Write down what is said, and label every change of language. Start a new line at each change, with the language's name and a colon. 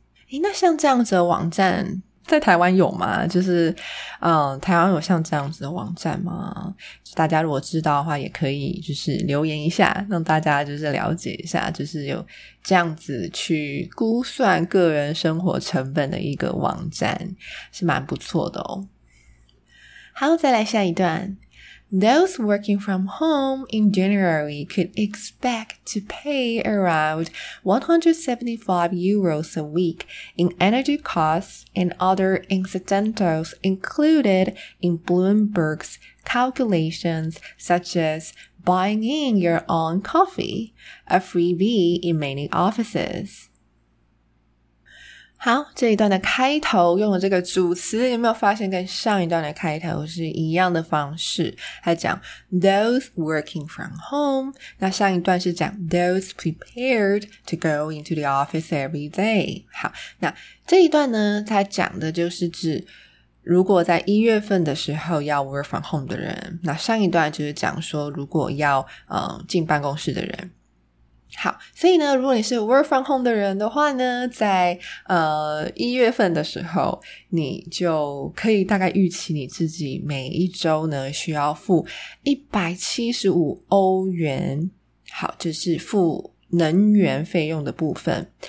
Chinese: 诶，那像这样子的网站在台湾有吗？就是台湾有像这样子的网站吗？大家如果知道的话也可以就是留言一下，让大家就是了解一下，就是有这样子去估算个人生活成本的一个网站，是蛮不错的哦。好，再来下一段。
English: Those working from home in January could expect to pay around 175 euros a week in energy costs and other incidentals included in Bloomberg's calculations, such as buying in your own coffee, a freebie in many offices.
Chinese: 好，这一段的开头用的这个主词，有没有发现跟上一段的开头是一样的方式？他讲
English: those working from home,
Chinese: 那上一段是讲
English: those prepared to go into the office every day。
Chinese: 好，那这一段呢他讲的就是指如果在一月份的时候要
English: work from home
Chinese: 的人，那上一段就是讲说如果要进办公室的人。好，所以呢如果你是
English: work from home
Chinese: 的人的话呢，在一月份的时候，你就可以大概预期你自己每一周呢需要付175欧元，好，就是付能源费用的部分。